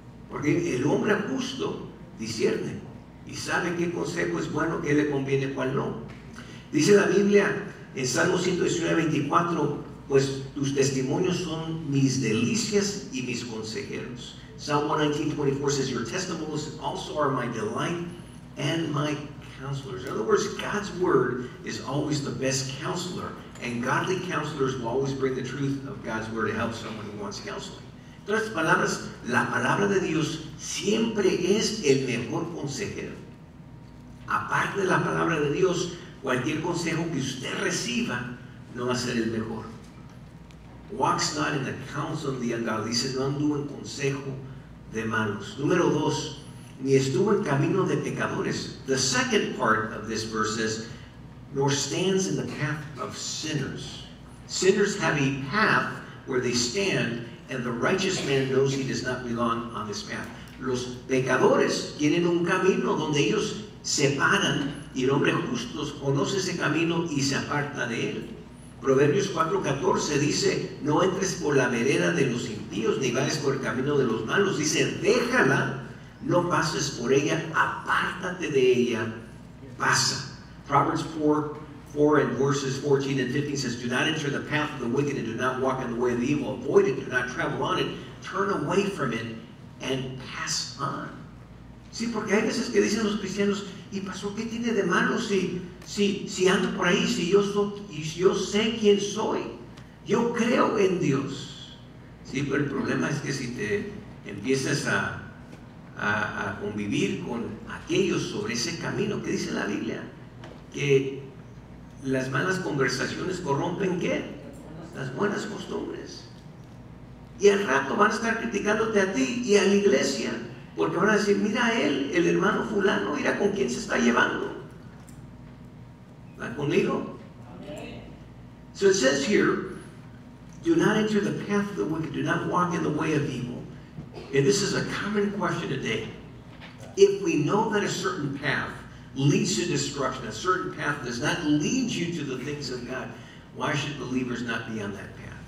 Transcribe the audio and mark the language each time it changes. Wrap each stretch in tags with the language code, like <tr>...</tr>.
<es>Porque el hombre justo discierne y sabe qué consejo es bueno, qué le conviene, cuál no. Dice la Biblia en Salmo 119:24, pues tus testimonios son mis delicias y mis consejeros.</es> <en>Psalm 119:24 says, your testimonies also are my delight and my counselors. In other words, God's word is always the best counselor, and godly counselors will always bring the truth of God's word to help someone who wants counseling.</en> <es>Otras palabras, la palabra de Dios siempre es el mejor consejero. Aparte de la palabra de Dios, cualquier consejo que usted reciba no va a ser el mejor.</es> <en>Walks not in the counsel of the ungodly.</en> <es>Dice, no anduvo en consejo de malos. Número dos, ni estuvo en camino de pecadores.</es> <en>The second part of this verse says, nor stands in the path of sinners. Sinners have a path where they stand, and the righteous man knows he does not belong on this path.</en> <es>Los pecadores tienen un camino donde ellos se paran, y el hombre justo conoce ese camino y se aparta de él. Proverbios 4:14 dice, no entres por la vereda de los impíos, ni vayas por el camino de los malos. Dice, déjala, no pases por ella, apártate de ella, pasa.</es> <en>Proverbs 4 and verses 14 and 15 says, do not enter the path of the wicked and do not walk in the way of the evil. Avoid it, do not travel on it. Turn away from it and pass on.</en> <es>Sí, porque hay veces que dicen los cristianos, ¿y pastor qué tiene de malo si ando por ahí, si yo sé quién soy? Yo creo en Dios. Sí, pero el problema es que si te empiezas a convivir con aquellos sobre ese camino, ¿qué dice la Biblia? Que las malas conversaciones corrompen, ¿qué? Las buenas costumbres. Y al rato van a estar criticándote a ti y a la iglesia, porque van a decir, mira a él, el hermano fulano, mira con quién se está llevando. ¿Va conmigo?</es> <en>So it says here, do not enter the path of the wicked, do not walk in the way of evil. And this is a common question today. If we know that a certain path leads to destruction, a certain path does not lead you to the things of God, why should believers not be on that path?</en>